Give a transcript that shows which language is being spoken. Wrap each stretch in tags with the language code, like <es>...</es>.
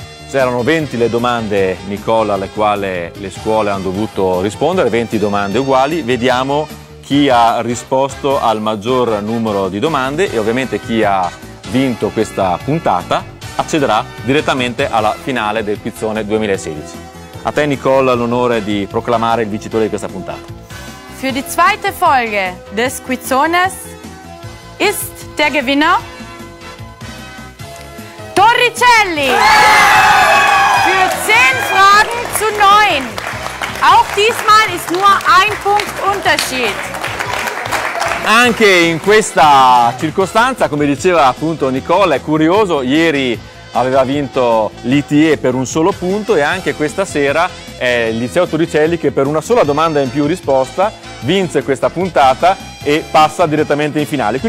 <it>C'erano 20 le domande, Nicola, alle quali le scuole hanno dovuto rispondere, 20 domande uguali. Vediamo chi ha risposto al maggior numero di domande e ovviamente chi ha vinto questa puntata accederà direttamente alla finale del Quizzone 2016. A te, Nicola, l'onore di proclamare il vincitore di questa puntata.</it> <de>Für die zweite Folge des Quizzones ist der Gewinner Torricelli! Für 10 Fragen zu 9. Auch diesmal ist nur ein Punkt Unterschied.</de> <it>Anche in questa circostanza, come diceva appunto Nicola, è curioso, ieri aveva vinto l'ITE per un solo punto e anche questa sera è il liceo Torricelli che per una sola domanda in più risposta vinse questa puntata e passa direttamente in finale.</it>